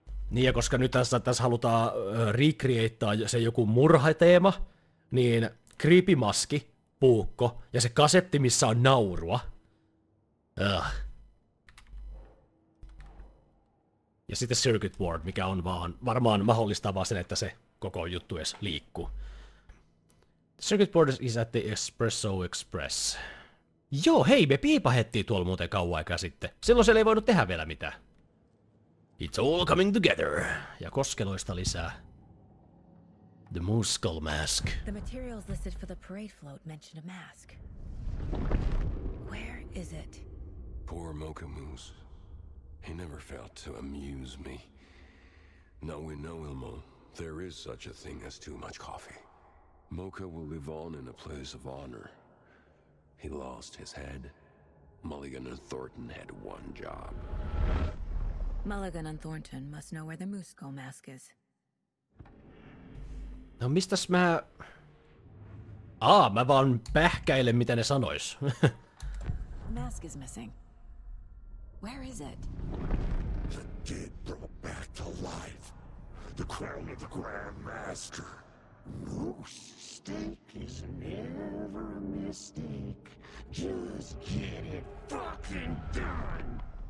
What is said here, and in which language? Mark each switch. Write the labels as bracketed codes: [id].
[fi] Niin, ja koska nyt tässä halutaan recreatea se joku murhateema, niin creepymaski, puukko ja se kasetti, missä on naurua. Ja sitten circuit board, mikä on vaan varmaan mahdollistaa vaan sen, että se koko juttu edes liikkuu. [en] The circuit board is at the Espresso Express. [fi] Joo, hei, me piipahettiin tuolla muuten kauan aikaa sitten. Silloin siellä ei voinut tehdä vielä mitään. [en] It's all coming together. [fi] Ja Koskeloista lisää. [en] The moose skull mask. The materials listed for the parade float mentioned a mask. Where is it? Poor Mocha Moose. He never failed to amuse me. Now we know, Ilmo, there is such a thing as too much coffee. Mocha will live on in a place of honor. He lost his head. Mulligan and Thornton had one job. Mulligan and Thornton must know where the moose skull mask is. [fi] No mistäs mä... mä vaan pähkäilen, mitä ne sanois. [en] Mask is missing. Where is it? The dead brought back to life. The crown of the Grand Master. Moose steak is never a mistake. Just get it fucking done!